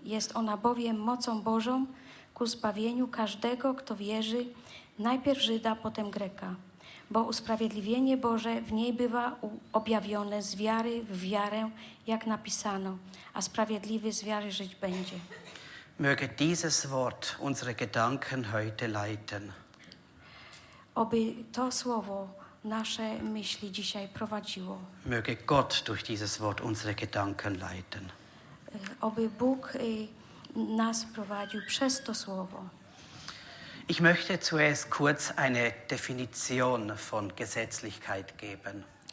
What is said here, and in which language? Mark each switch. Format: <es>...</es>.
<pl>Jest ona bowiem mocą Bożą ku zbawieniu każdego, kto wierzy, najpierw Żyda, potem Greka. Bo usprawiedliwienie Boże w niej bywa objawione z wiary w wiarę, jak napisano, a sprawiedliwy z wiary żyć będzie.</pl> <de>Möge dieses Wort unsere Gedanken heute leiten.</de> <pl>Oby to słowo nasze myśli dzisiaj prowadziło.</pl> <de>Möge Gott durch dieses Wort unsere Gedanken leiten.</de> <pl>Oby Bóg nas prowadził przez to słowo.</pl> <de>Ich möchte zuerst kurz eine Definition von Gesetzlichkeit geben.</de>